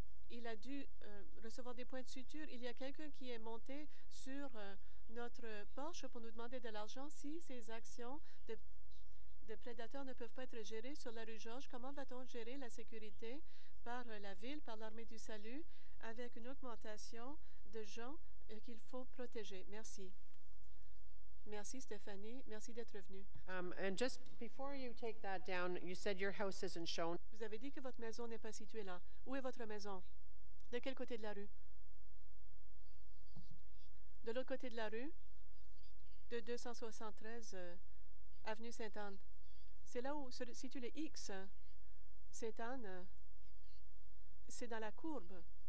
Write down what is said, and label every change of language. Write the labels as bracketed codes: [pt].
[fr] Il a dû recevoir des points de suture. Il y a quelqu'un qui est monté sur notre Porsche pour nous demander de l'argent. Si ces actions de, des prédateurs ne peuvent pas être gérés sur la rue Georges. Comment va-t-on gérer la sécurité par la ville, par l'armée du salut, avec une augmentation de gens qu'il faut protéger? Merci. Merci, Stéphanie. Merci d'être venue. [en] And just before you take that down, you said your house isn't shown. [fr] Vous avez dit que votre maison n'est pas située là. Où est votre maison? De quel côté de la rue? De l'autre côté de la rue? De 273 Avenue Sainte-Anne. C'est là où se situe le X. Sainte-Anne, c'est dans la courbe.